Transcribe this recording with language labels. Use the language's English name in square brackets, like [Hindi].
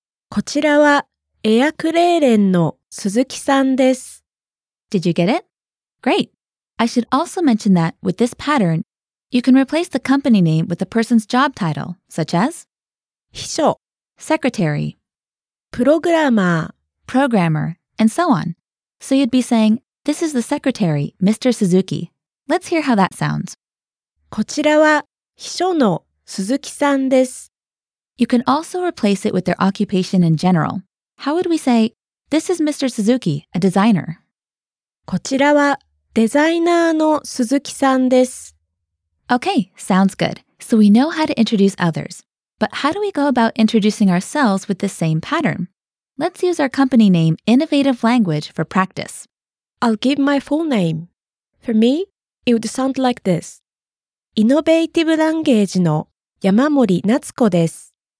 [Japanese] こちらはエアクレーレンの鈴木さんです。 [English] Did you get it? Great! I should also mention that with this pattern, you can replace the company name with the person's job title, such as [Japanese] 秘書 [English] Secretary [Japanese] プログラマー [English] Programmer, and so on. So you'd be saying, this is the secretary, Mr. Suzuki. Let's hear how that sounds. [Japanese] こちらは秘書の鈴木さんです。 [English] You can also replace it with their occupation in general. How would we say, This is Mr. Suzuki, a designer. [Japanese] こちらはデザイナーの鈴木さんです。 [English] Okay, sounds good. So we know how to introduce others. But how do we go about introducing ourselves with the same pattern? Let's use our company name, Innovative Language, for practice. I'll give my full name. For me, it would sound like this. [Japanese] Innovative Language の山森夏子です。